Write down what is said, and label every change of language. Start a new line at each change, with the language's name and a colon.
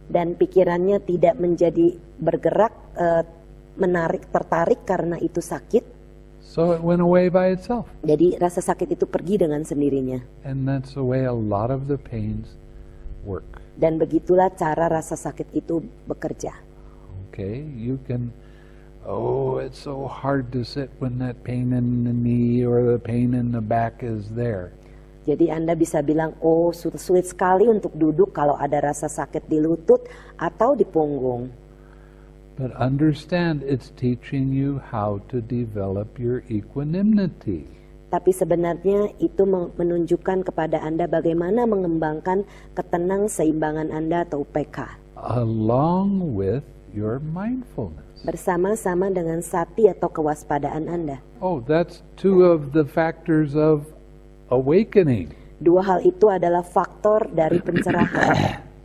Indonesian: Dan pikirannya tidak menjadi bergerak, menarik, tertarik karena itu sakit.
English: So it went away by itself.
Indonesian: Jadi rasa sakit itu pergi dengan sendirinya.
English: And that's the way a lot of the pains work.
Indonesian: Dan begitulah cara rasa sakit itu bekerja.
English: Okay, you can. Oh, it's so hard to sit when that pain in the knee or the pain in the back is there.
Indonesian: Jadi Anda bisa bilang, oh sulit sekali untuk duduk kalau ada rasa sakit di lutut atau di punggung.
English: But understand, it's teaching you how to develop your equanimity.
Indonesian: Tapi sebenarnya itu menunjukkan kepada Anda bagaimana mengembangkan ketenang seimbangan Anda atau UPK.
English: Along with your mindfulness.
Indonesian: Bersama-sama dengan sati atau kewaspadaan Anda.
English: Oh, that's two of the factors of awakening.
Indonesian: Dua hal itu adalah faktor dari pencerahan.